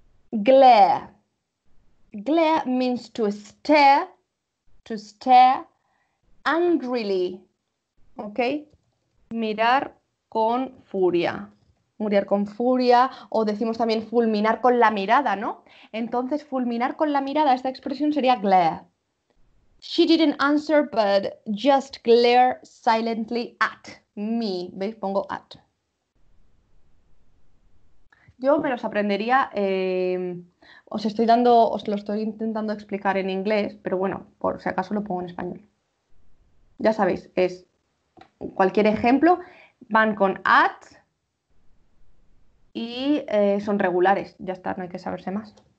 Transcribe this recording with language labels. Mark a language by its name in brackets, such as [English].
[English] Glare. Glare means to stare angrily. ¿ok? [Spanish] Mirar con furia. Mirar con furia, o decimos también fulminar con la mirada, ¿no? Entonces, fulminar con la mirada, esta expresión sería glare. [English] She didn't answer, but just glare silently at me. [Spanish] ¿Veis? Pongo at. Yo me los aprendería, os estoy dando, os lo estoy intentando explicar en inglés, pero bueno, por si acaso lo pongo en español. Ya sabéis, es cualquier ejemplo, van con at y son regulares, ya está, no hay que saberse más.